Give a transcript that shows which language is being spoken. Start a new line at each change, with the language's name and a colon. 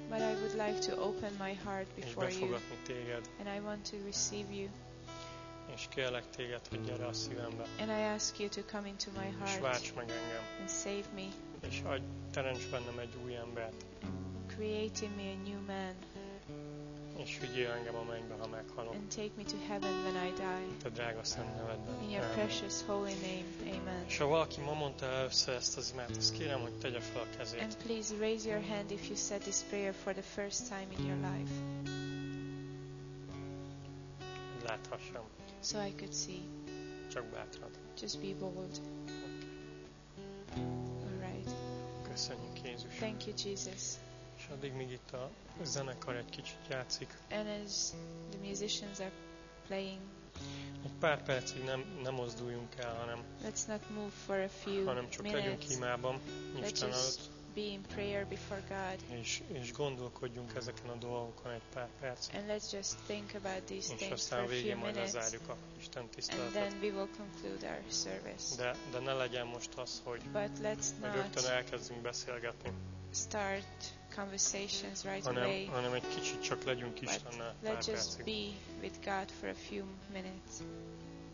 English: But I would like to open my heart before you.
Hungarian: És befogadni téged.
English: And I want to receive you.
Hungarian: És kérlek téged, hogy gyere a szívembe.
English: And I ask you to come into my heart.
Hungarian: És válts meg engem.
English: And save me.
Hungarian: És adj, teremts bennem egy új embert.
English: Create in me a new man.
Hungarian: És vigyél engem a mennybe, ha meghalok.
English: And take me to heaven when I die.
Hungarian: Te drága szent nevedben.
English: In your precious holy name. Amen.
Hungarian: És ha valaki ma mondta először ezt az imát, azt kérem, hogy tegye fel a kezét.
English: And please raise your hand if you said this prayer for the first time in your life.
Hungarian: Láthassam.
English: So I could see.
Hungarian: Csak bátran.
English: Just be bold. Alright.
Hungarian: Köszönjük, Jézus.
English: Thank you, Jesus.
Hungarian: És addig még itt a zenekar egy kicsit játszik.
English: And as the musicians are playing.
Hungarian: Egy pár percig nem mozduljunk el, hanem.
English: Let's not move for a few
Hungarian: hanem csak
English: minutes.
Hungarian: Legyünk imában, Isten előtt.
English: Be in prayer before God.
Hungarian: És gondolkodjunk ezeken a dolgokon egy pár percig.
English: And let's just think about these things for a few minutes.
Hungarian: És aztán végén majd lezárjuk a Isten tiszteletet.
English: And then we will conclude our service.
Hungarian: De ne legyen most az, hogy.
English: But let's not.
Hungarian: Rögtön elkezdünk beszélgetni.
English: Start conversations right
Hungarian: hanem,
English: away.
Hungarian: Hanem egy kicsit csak legyünk Istennel.
English: Let's just be with God for a few minutes.